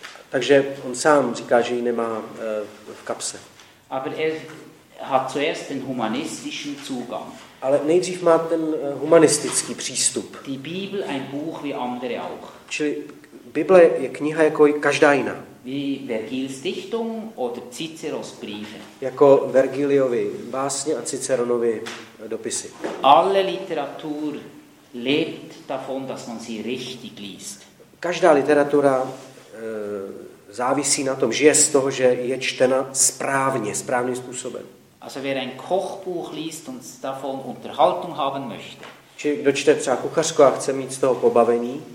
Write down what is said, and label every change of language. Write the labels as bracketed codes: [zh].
[cs] Takže on sám říká, že ji nemá v kapse. [de] Aber hat zuerst den humanistischen Zugang. [cs] Ale nejdřív má ten humanistický přístup. [de] Die Bibel ein Buch wie andere auch. [cs] Čili Bible je kniha jako každá jiná. [de] Wie Vergils Dichtung oder Ciceros Briefe. [cs] Jako Vergiliovi básně a Ciceronovi dopisy. [de] Alle Literatur lebt davon, dass man sie richtig liest. [cs] Každá literatura závisí na tom, žije z toho, že je čtena správně, správným způsobem. [de] Also wer ein Kochbuch liest und davon Unterhaltung haben möchte. [cs] Či kdo čte třeba kuchařku a chce mít z toho pobavení.